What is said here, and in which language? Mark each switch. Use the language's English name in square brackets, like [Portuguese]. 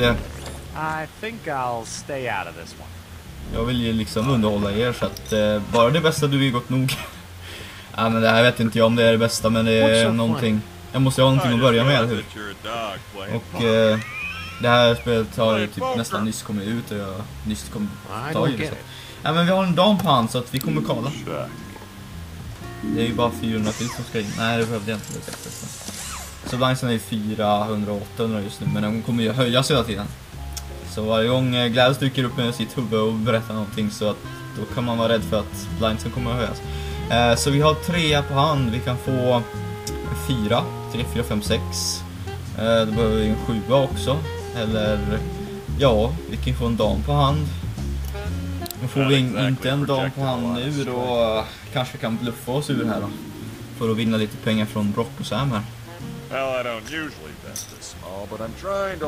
[English] I think I'll stay out of this one. [Swedish] Jag vill ju liksom underhålla er så att bara det bästa du är gott nog. Ja men det här vet inte jag om det är det bästa men det är någonting. Jag måste ha någonting att börja med eller hur? Och det här spelet har ju typ nästan nyss kommit ut och jag nyss kommit tag i det. Ja men vi har en dam på hand så att vi kommer kolla. Det är ju bara 400 till som ska in. Nej det behövde jag inte det bästa. Så blindsen är ju 400-800 just nu men den kommer ju höjas hela tiden. Så varje gång Gladys dyker upp med sitt huvud och berättar någonting så att då kan man vara rädd för att blindsen kommer att höjas. Så vi har tre på hand, vi kan få 4, 3, 4, 5, 6. Då behöver vi en 7 också. Eller ja, vi kan få en dam på hand. Då får vi inte en dam på hand nu då kanske kan bluffa oss ur här då. För att vinna lite pengar från Brock och Sam här. [English] Well, I don't usually bet this small, but I'm trying to